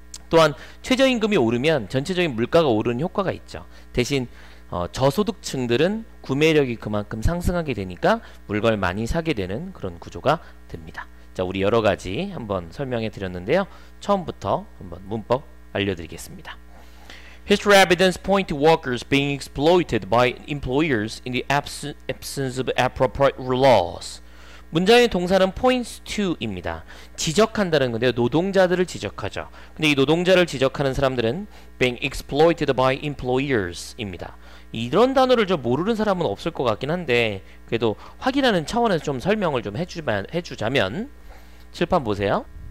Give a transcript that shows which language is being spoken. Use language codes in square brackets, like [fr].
[ko] 또한 최저임금이 오르면 전체적인 물가가 오르는 효과가 있죠. 대신 저소득층들은 구매력이 그만큼 상승하게 되니까 물건을 많이 사게 되는 그런 구조가 됩니다. 자, 우리 여러 가지 한번 설명해 드렸는데요. 처음부터 한번 문법 알려드리겠습니다. [en] His evidence point to workers being exploited by employers in the absence of appropriate laws. [ko] 문장의 동사는 points to입니다. 지적한다는 건데요. 노동자들을 지적하죠. 근데 이 노동자를 지적하는 사람들은 [en] being exploited by employers [ko] 입니다. 이런 단어를 좀 모르는 사람은 없을 것 같긴 한데, 그래도 확인하는 차원에서 좀 설명을 좀 해주자면, 칠판 보세요.